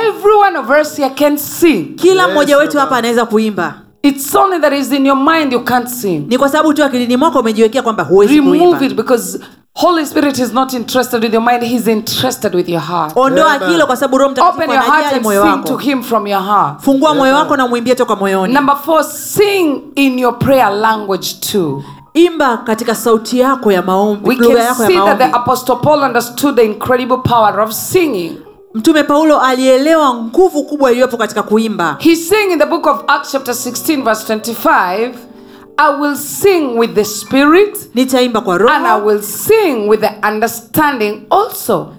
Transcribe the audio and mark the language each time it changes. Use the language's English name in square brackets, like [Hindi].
[English] Everyone of us here can sing. [Swahili] Kila mmoja wetu hapa anaweza kuimba. [English] It's only that is in your mind you can't sing. [Swahili] Ni kwa sababu tu akilini mwako umejiwekea kwamba huwezi kuimba. [English] Remove it because Holy Spirit is not interested with your mind, he's interested with your heart. [Swahili] Ondoa kilo kwa sababu Roho Mtakatifu anajali moyo wako. [English] Open your heart and sing to him from your heart. [Swahili] Fungua moyo wako na muimbie toka moyoni. [English] Number 4, sing in your prayer language too. [Swahili] Imba katika sauti yako ya maombi, lugha yako ya maombi. [English] We can see that the Apostle Paul understood the incredible power of singing. [Swahili] Mtume Paulo alielewa nguvu kubwa iliyopo katika kuimba. [English] He sang in the book of Acts chapter 16 verse 25. I will sing with the spirit. [Swahili] Nitaimba kwa roho. [English] And I will sing with the understanding also.